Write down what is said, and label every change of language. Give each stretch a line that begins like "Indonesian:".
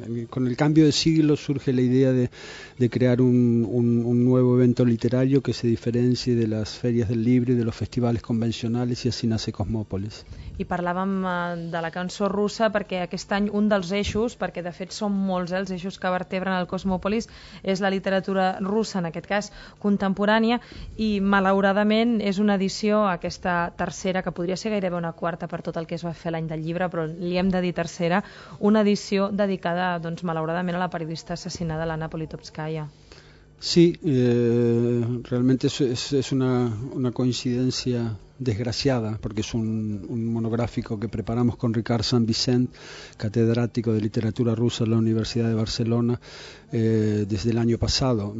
Spanish: con el cambio de siglo surge la idea de crear un nuevo evento literario que se diferencie de las ferias del libro y de los festivales convencionales, y así nace Cosmòpolis.
Catalan: I parlàvem de la cançó russa perquè aquest any un dels eixos, perquè de fet són molts els eixos que vertebren el Cosmòpolis, és la literatura russa, en aquest cas contemporània, i malauradament és una edició, aquesta tercera, que podria ser gairebé una quarta per tot el que es va fer l'any del llibre, però li hem de dir tercera, una edició dedicada, doncs, malauradament, a la periodista assassinada, l'Anna Politkovskaya.
Spanish: Sí, realmente es una coincidencia desgraciada, porque es un monográfico que preparamos con Ricard San Vicent, catedrático de literatura rusa en la Universidad de Barcelona, desde el año pasado.